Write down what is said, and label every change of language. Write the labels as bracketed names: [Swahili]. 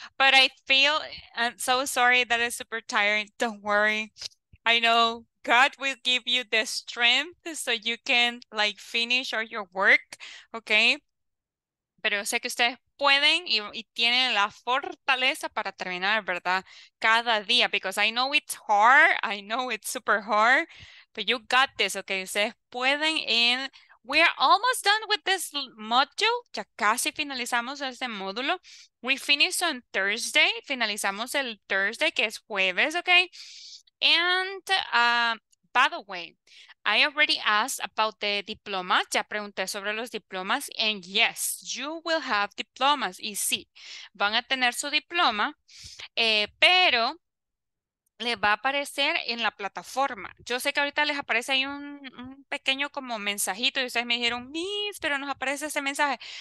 [English] But I feel, I'm so sorry that it's super tiring. Don't worry. I know God will give you the strength so you can like finish all your work, okay? [Spanish] Pero sé que ustedes pueden y tienen la fortaleza para terminar, ¿verdad? Cada día, [English] because I know it's hard. I know it's super hard, but you got this, okay? [Spanish] Ustedes pueden en. [English] We are almost done with this module. [Spanish] Ya casi finalizamos este módulo. [English] We finished on Thursday. [Spanish] Finalizamos el Thursday, que es jueves, okay? [English] And by the way, I already asked about the diplomas. [Spanish] Ya pregunté sobre los diplomas. [English] And yes, you will have diplomas. [Spanish] Y sí, van a tener su diploma, pero le va a aparecer en la plataforma. Yo sé que ahorita les aparece ahí un pequeño como mensajito y ustedes me dijeron, Miss, pero nos aparece ese mensaje.